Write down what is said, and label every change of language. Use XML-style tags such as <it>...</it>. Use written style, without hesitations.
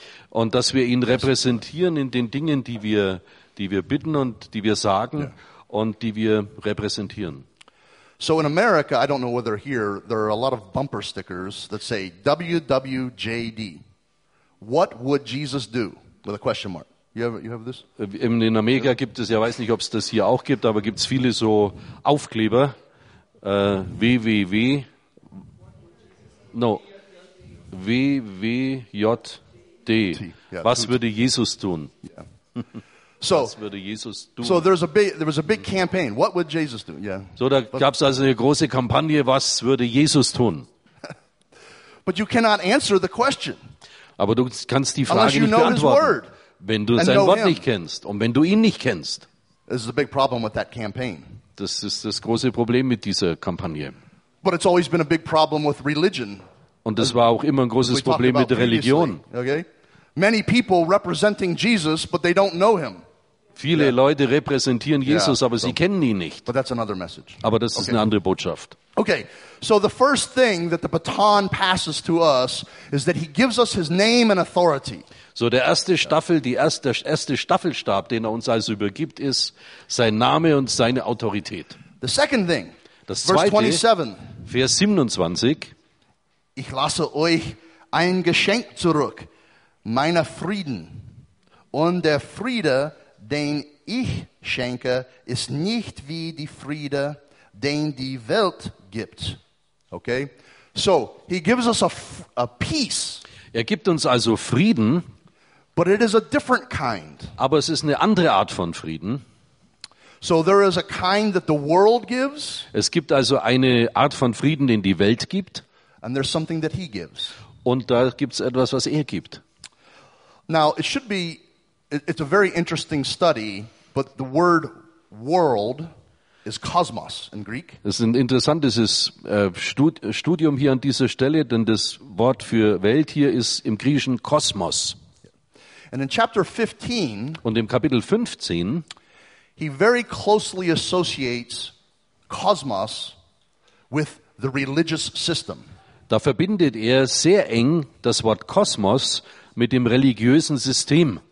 <de>Und dass wir ihn repräsentieren in den Dingen, die wir bitten und die wir sagen und die wir repräsentieren.</de> <en>So in America, I don't know whether here, there are a lot of bumper stickers that say WWJD. What would Jesus do? With a question mark. You have this?</en> <de>In Amerika gibt es, ja, weiß nicht, ob es das hier auch gibt, aber gibt es viele so Aufkleber.</de> <en>WWW. No.</en> <de>WWJD. Yeah. Was würde Jesus tun? So, was würde Jesus tun?</de> <en>So there was a big campaign. What would Jesus do? Yeah.</en> <de>So da gab es also eine große Kampagne. Was würde Jesus tun?</de> <en>But you cannot answer the question.</en> <de>Aber du kannst die Frage nicht beantworten, wenn du sein Wort nicht kennst und wenn du ihn nicht kennst.</de> <en>This is a big problem with that campaign.</en> <de>Das ist das große Problem mit dieser Kampagne.</de> <en>But it's always been a big problem with religion.</en> <de>Und das war auch immer ein großes Problem mit der Religion.</de> <en>Okay. Many people representing Jesus, but they don't know him.</en> <de>Viele Leute repräsentieren Jesus, aber sie kennen ihn nicht.</de> <en>But that's another message.</en> <de>Aber das ist eine andere Botschaft.</de> <en>Okay, so the first thing that the baton passes to us is that he gives us his name and authority.</en> <de>So der erste Staffel, der erste Staffelstab, den uns also übergibt, ist sein Name und seine Autorität.</de> <en>The second thing,</en> <de>das zweite,</de> <en>verse 27.</en> <de>Vers 27. Ich lasse euch ein Geschenk zurück. Meiner Frieden und der Friede, den ich schenke, ist nicht wie die Friede, den die Welt gibt.</de> <en>Okay? So, he gives us a peace.</en> <de>Er gibt uns also Frieden,</de> <en>but it is a different kind.</en> <de>Aber es ist eine andere Art von Frieden.</de> <en>So there is a kind that the world gives.</en> <de>Es gibt also eine Art von Frieden, den die Welt gibt.</de> <en>And there's something that he gives.</en> <de>Und da gibt's etwas, was er gibt.</de> <en>Now it should be, it's a very interesting study, but the word world is cosmos in Greek.</en> <de>Es ist ein interessantes Studium hier an dieser Stelle, denn das Wort für Welt hier ist im Griechischen Kosmos.</de> <en>And in chapter 15,</en> <de>und im Kapitel 15,</de> <en>he very closely associates cosmos with the religious system.</en> <de>Da verbindet er sehr eng das Wort Kosmos mit dem religiösen System.</de>